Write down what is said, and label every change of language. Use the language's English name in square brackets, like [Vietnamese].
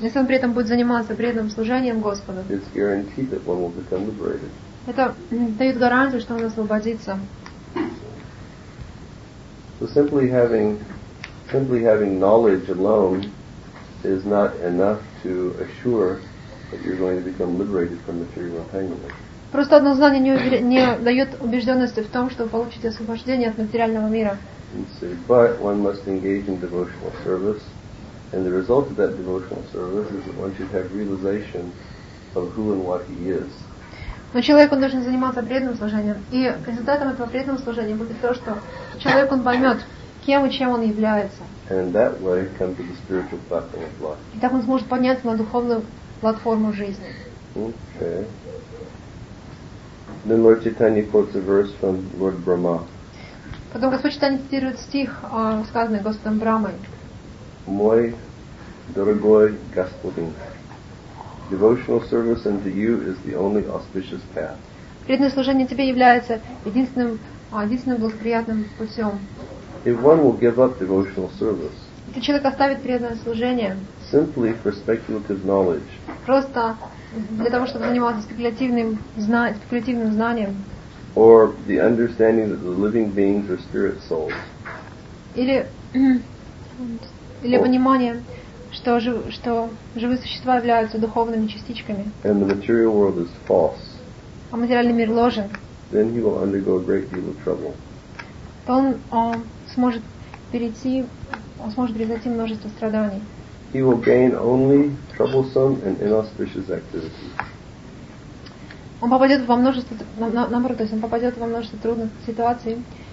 [Russian] если он при этом будет заниматься преданным служением Господу, [English] it's guaranteed that one will become liberated. [Russian] Это дает гарантию, что он освободится. [English] So simply having knowledge alone is not enough to assure that you're going to become liberated from material entanglement. [Russian] Просто одно знание не дает убежденности в том, что вы получите освобождение от материального мира. [English] But one must engage in devotional service, and the result of that devotional service is that one should have realization of who and what he is. [Russian] Но человек, он должен заниматься преданным служением, и результатом этого преданного служения будет то, что человек, он поймет, кем и чем он является. [English] And in that way, come to the spiritual platform of life. [Russian] И так он сможет подняться на духовную платформу жизни. [English] Okay. Then Lord Chaitanya quotes a verse from Lord Brahma. [Russian] Потом Господь Читания цитирует стих, сказанный Господом Брахмой. Мой дорогой Господин, [English] devotional service unto you is the only auspicious path. [Russian] Преданное служение тебе является единственным благоприятным путем. [English] If one will give up devotional service, [Russian] если человек оставит преданное служение, [English] simply for speculative knowledge, [Russian] просто для того, чтобы заниматься спекулятивным знанием. [English] Or the understanding that the living beings are spirit souls. [Russian] Или понимание, что живые существа являются духовными частичками. [English] And the material world is false. [Russian] А материальный мир ложен. [English] Then he will undergo a great deal of trouble. [Russian] То он сможет перейти множество страданий. [English] He will gain only troublesome and inauspicious activities. [Russian] Он попадет во множество трудных ситуаций